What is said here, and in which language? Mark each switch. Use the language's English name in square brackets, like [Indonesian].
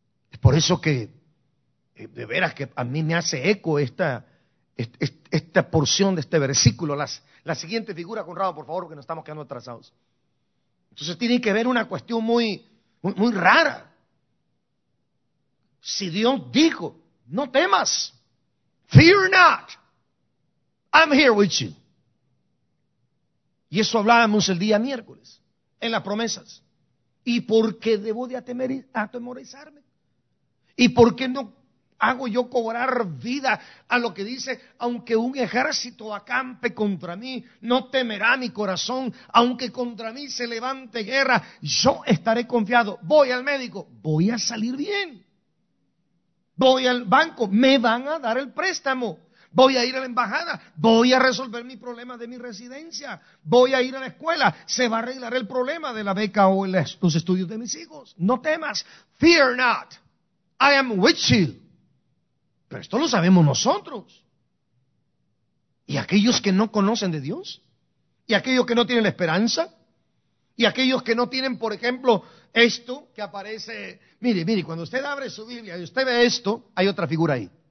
[Spanish] Es por eso que, de veras, que a mí me hace eco esta porción de este versículo. La siguiente figura, Conrado, por favor, porque nos estamos quedando atrasados. Entonces tiene que ver una cuestión muy, muy, muy rara. Si Dios dijo, no temas, [English] fear not, I'm here with you. [Spanish] Y eso hablábamos el día miércoles, en las promesas. ¿Y por qué debo de atemorizarme? ¿Y por qué no hago yo cobrar vida a lo que dice, aunque un ejército acampe contra mí, no temerá mi corazón, aunque contra mí se levante guerra, yo estaré confiado, voy al médico, voy a salir bien, voy al banco, me van a dar el préstamo. Voy a ir a la embajada, voy a resolver mi problema de mi residencia, voy a ir a la escuela, se va a arreglar el problema de la beca o los estudios de mis hijos. No temas, [English] fear not, I am with you. [Spanish] Pero esto lo sabemos nosotros. Y aquellos que no conocen de Dios, y aquellos que no tienen la esperanza, y aquellos que no tienen, por ejemplo, esto que aparece. Mire, mire, cuando usted abre su Biblia y usted ve esto, hay otra figura ahí.